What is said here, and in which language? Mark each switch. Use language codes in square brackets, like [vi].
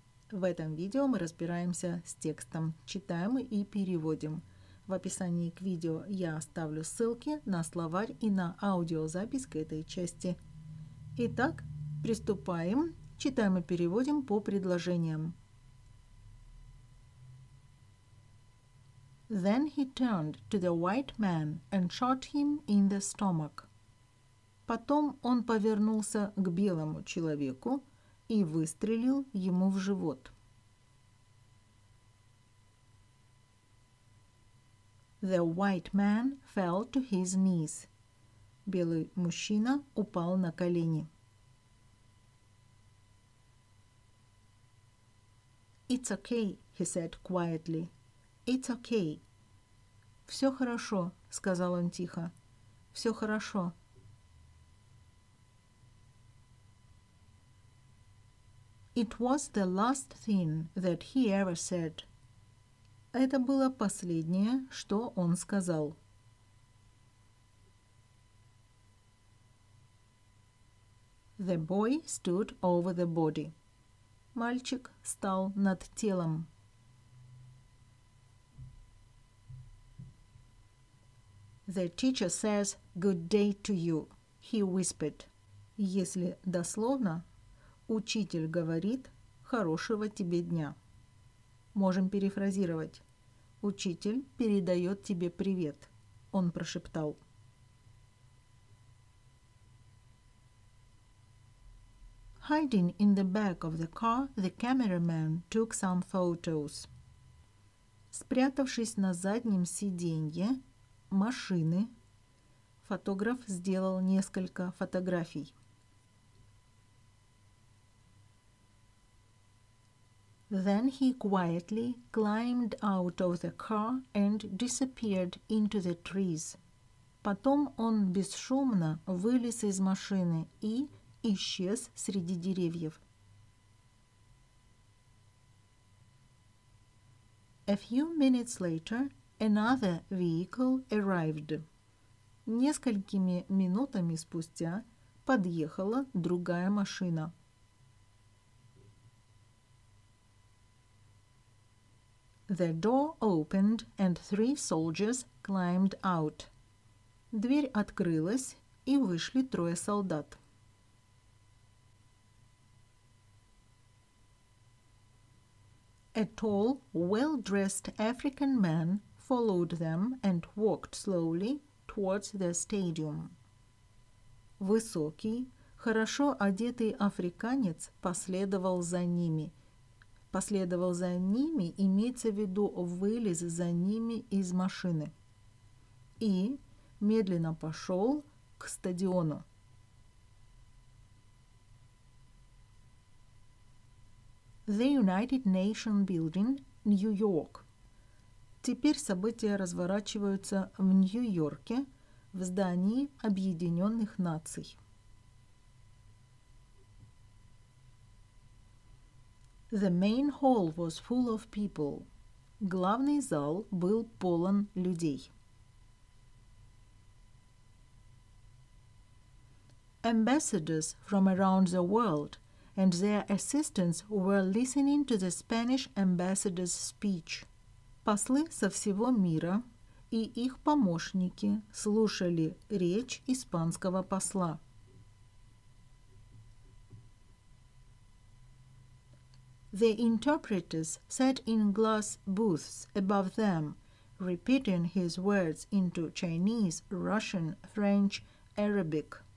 [ru] В этом видео мы разбираемся с текстом, читаем и переводим. В описании к видео я оставлю ссылки на словарь и на аудиозапись к этой части. Итак, приступаем. Читаем и переводим по предложениям. [en] Then he turned to the white man and shot him in the stomach. [ru] Потом он повернулся к белому человеку и выстрелил ему в живот. [en] The white man fell to his knees. [ru] Белый мужчина упал на колени. [en] It's okay, he said quietly. It's okay. [ru] Все хорошо, сказал он тихо. Все хорошо. [en] It was the last thing that he ever said. [ru] Это было последнее, что он сказал. [en] The boy stood over the body. [ru] Мальчик стал над телом. [en] The teacher says good day to you, he whispered. [ru] Если дословно, учитель говорит хорошего тебе дня. Можем перефразировать. Учитель передает тебе привет, он прошептал. [en] Hiding in the back of the car, the cameraman took some photos. [ru] Спрятавшись на заднем сиденье машины, фотограф сделал несколько фотографий. [en] Then he quietly climbed out of the car and disappeared into the trees. [ru] Потом он бесшумно вылез из машины и исчез среди деревьев. [en] A few minutes later, another vehicle arrived. [ru] Несколькими минутами спустя подъехала другая машина. [en] The door opened and three soldiers climbed out. [ru] Дверь открылась, и вышли трое солдат. [en] A tall, well-dressed African man followed them and walked slowly towards the stadium. [ru] Высокий, хорошо одетый африканец последовал за ними. Последовал за ними, имеется в виду, вылез за ними из машины. И медленно пошел к стадиону. [en] The United Nations Building, New York. [ru] Теперь события разворачиваются в Нью-Йорке, в здании Объединенных Наций. [en] The main hall was full of people. [ru] Главный зал был полон людей. [en] Ambassadors from around the world and their assistants were listening to the Spanish ambassador's speech. [ru] Послы со всего мира и их помощники слушали речь испанского посла. [en] The interpreters sat in glass booths above them, repeating his words into Chinese, Russian, French, Arabic.